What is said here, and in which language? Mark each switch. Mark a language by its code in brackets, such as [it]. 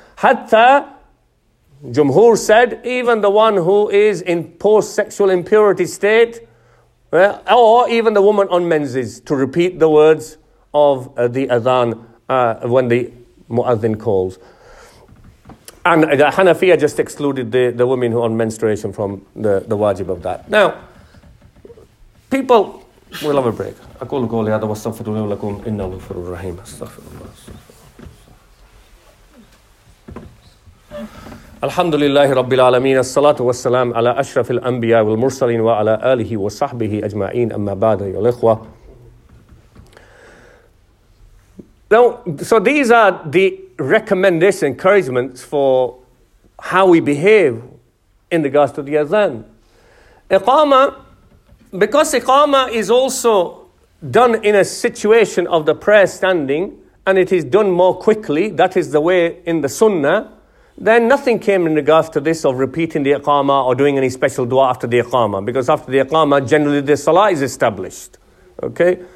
[en] Hatta, Jumhur said, even the one who is in post-sexual impurity state, or even the woman on menses, to repeat the words of the Adhan when the Mu'adhin calls. And the Hanafiyyah just excluded the women who are on menstruation from the wajib of that. Now, people, we'll have a break. [ar] أَقُولُ قَوْلِ هَذَا وَاسْتَغْفِرُ لَكُمْ إِنَّا لُفِرُ الرَّحِيمُ أَسْتَغْفِرُ اللَّهِ الحمد لله رب العالمين الصلاة والسلام على أشرف الأنبياء والمرسلين وعلى آله وصحبه أجمعين أما بعد يا الإخوة. [en] Now, so these are the recommendations, encouragements for how we behave in regards to the Adhan. Iqama, because Iqama is also done in a situation of the prayer standing, and it is done more quickly, that is the way in the Sunnah, then nothing came in regards to this of repeating the Iqama or doing any special dua after the Iqama, because after the Iqama, generally the Salah is established, okay?